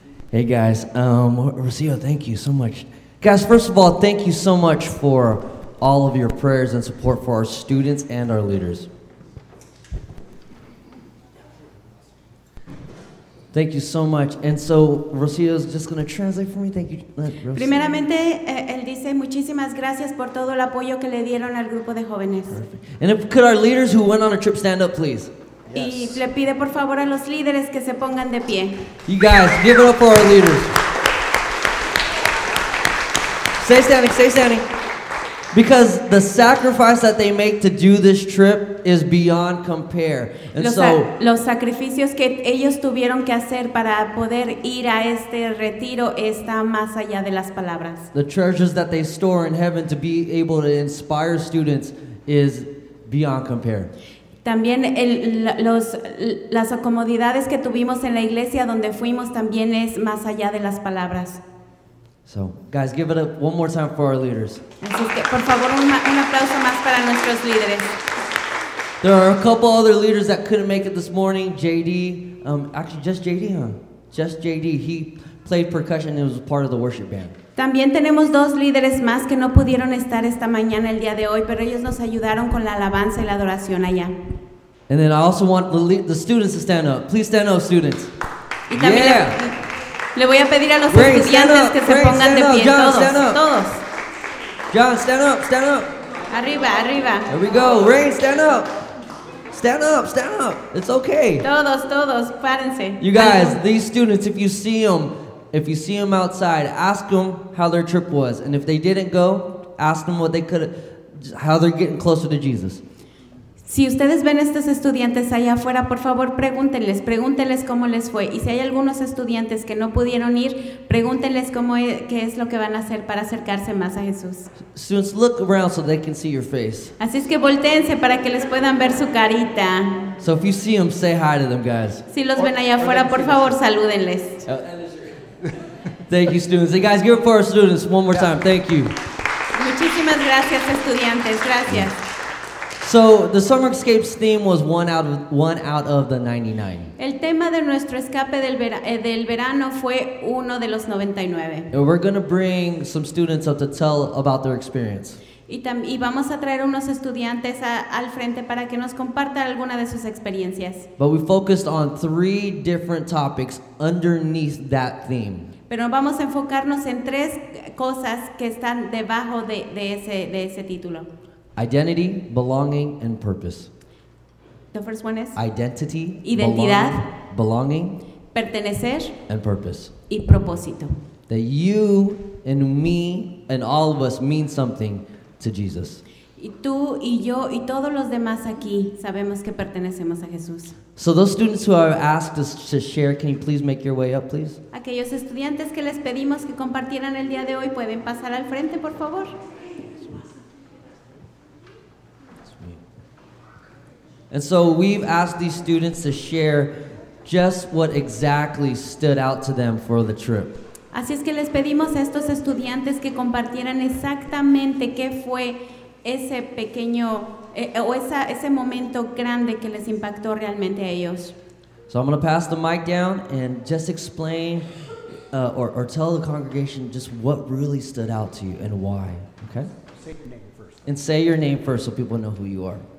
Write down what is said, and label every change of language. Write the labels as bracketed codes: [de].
[en] Hey guys, Rocio, thank you so much. Guys, first of all, thank you so much for all of your prayers and support for our students and our leaders. Thank you so much. And so Rocio is just going to translate for me. Thank you, Rocio. [es] Primeramente, él dice muchísimas gracias por todo el apoyo que le dieron al grupo de jóvenes. [en] And if, could our leaders who went on a trip stand up, please? [es] Y le pide por favor a los líderes que se pongan de pie. [en] You guys, give it up for our leaders. Stay standing, stay standing. Because the sacrifice that they make to do this trip is beyond compare. And [es] los sacrificios que ellos tuvieron que hacer para poder ir a este retiro está más allá de las palabras. [en] The treasures that they store in heaven to be able to inspire students is beyond compare. [es] También las acomodidades que tuvimos en la iglesia donde fuimos también es más allá de las palabras. [en] So, guys, give it up one more time for our leaders. [es] Así que, por favor, un aplauso más para nuestros líderes. [en] There are a couple other leaders that couldn't make it this morning. JD, actually, just JD, huh? Just JD. He played percussion and was part of the worship band. [es] También tenemos dos líderes más que no pudieron estar esta mañana el día de hoy, pero ellos nos ayudaron con la alabanza y la adoración allá. [en] And then I also want the students to stand up. Please stand up, students. [es] Y también yeah. Le voy a pedir a los [en] Ray, [es] estudiantes que se [en] Ray, [es] pongan de [en] up. [es] Pie, [en] John, [es] todos. [en] John, stand up. [es] Arriba, arriba. [en] There we go. Ray, stand up. Stand up, stand up. It's okay. [es] Todos, párense. [en] You guys, these students, if you see them outside, ask them how their trip was. And if they didn't go, ask them what they could, how they're getting closer to Jesus. [es] Si ustedes ven estos estudiantes allá afuera, por favor, pregúntenles cómo les fue. Y si hay algunos estudiantes que no pudieron ir, pregúntenles qué es lo que van a hacer para acercarse más a Jesús. [en] Students, look around so they can see your face. [es] Así es que volteense para que les puedan ver su carita. [en] So if you see them, say hi to them, guys. [es] Si los ven allá afuera, por favor, salúdenles. [en] Thank you, students. Hey, guys, give it for our students one more time. Thank you. [es] Muchísimas gracias, estudiantes. Gracias. [en] So the summer escape's theme was one out of the 99. [es] El tema de nuestro escape del verano fue uno de los 99. [en] And we're going to bring some students up to tell about their experience. [es] Y vamos a traer unos estudiantes al frente para que nos compartan alguna de sus experiencias. [en] But we focused on three different topics underneath that theme. [es] Pero vamos a enfocarnos en tres cosas que están debajo de ese título. [en] Identity, belonging, and purpose. The first one is identity, [es] identidad, [en] belonging, [es] pertenecer, [en] and purpose. [es] Y propósito. [en] That you and me and all of us mean something to Jesus. [es] Y tú y yo y todos los demás aquí sabemos que pertenecemos a Jesús. [en] So those students who have asked us to share, can you please make your way up, please? [es] Aquellos estudiantes que les pedimos que compartieran el día de hoy pueden pasar al frente, por favor. [en] And so we've asked these students to share just what exactly stood out to them for the trip. [es] Así es que les pedimos a estos estudiantes que compartieran exactamente qué fue ese pequeño o ese momento grande que les impactó realmente a ellos. [en] So I'm going to pass the mic down and just explain or tell the congregation just what really stood out to you and why, okay? Say your name first. And say your name first so people know who you are.